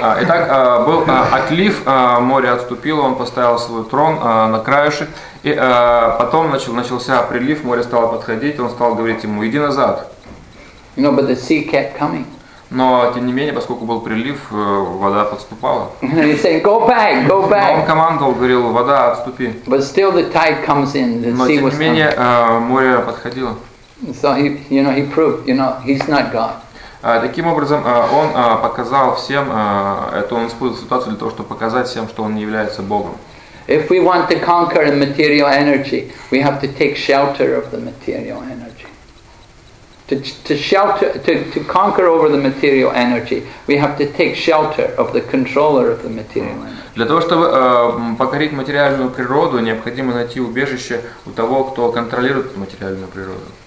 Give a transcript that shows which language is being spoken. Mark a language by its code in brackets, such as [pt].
[ru] Итак, был отлив, море отступило, он поставил свой трон на краешек, и потом начался прилив, море стало подходить, он стал говорить ему, иди назад. [en] No, but the sea kept coming. [ru] Но, тем не менее, поскольку был прилив, вода подступала. [en] He said, go back, go back. [ru] Но он командовал, говорил, вода, отступи. [en] But still the tide comes in, the [ru] Но, [en] sea [ru] тем не менее, [en] coming. [ru] Море подходило. [en] So he proved, you know, he's not God. [ru] Таким образом, он показал всем, это он использовал ситуацию для того, чтобы показать всем, что он не является Богом. [en] If we want to conquer the material energy, we have to take shelter of the material energy. To conquer over the material energy, we have to take shelter of the controller of the material energy. [ru] Для того чтобы покорить материальную природу, необходимо найти убежище у того, кто контролирует материальную природу.